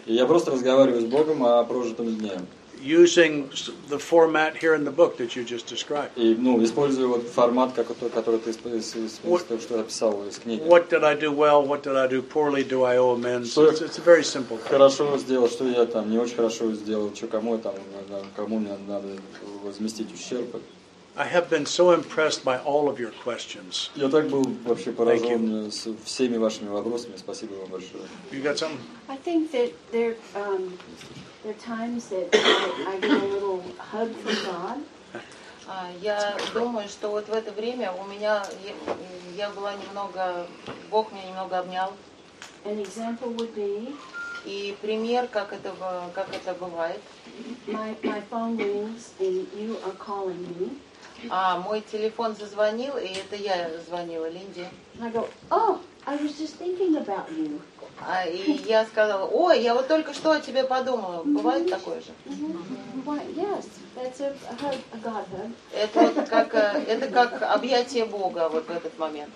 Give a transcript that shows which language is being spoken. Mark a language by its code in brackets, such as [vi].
[ru] И я просто разговариваю с Богом о прожитом дне. [en] Using the format here in the book that you just described. [ru] И, ну, используя вот формат, который ты использовал, что я писал из книги. [en] What did I do well? What did I do poorly? Do I owe amends? So it's a very simple. [ru] Хорошо сделал, что я там не очень хорошо сделал, что кому я там, кому мне надо возместить ущерб. [en] I have been so impressed by all of your questions. [ru] Я так был вообще поражен всеми вашими вопросами. Спасибо вам большое. [en] You got something? I think that there are times that I get a little hug from God. [ru] Я думаю, что вот в это время у меня я была немного, Бог меня немного обнял. [en] An example would be. [ru] И пример, как это бывает. [en] My phone rings and you are calling me. [ru] А мой телефон зазвонил, и это я звонила Линде. [en] And I go, oh, I was just thinking about you. [ru] И я сказала, ой, я вот только что о тебе подумала. Бывает такое же? [en] Yes, that's a God hug. [ru] Это как объятие Бога вот в этот момент.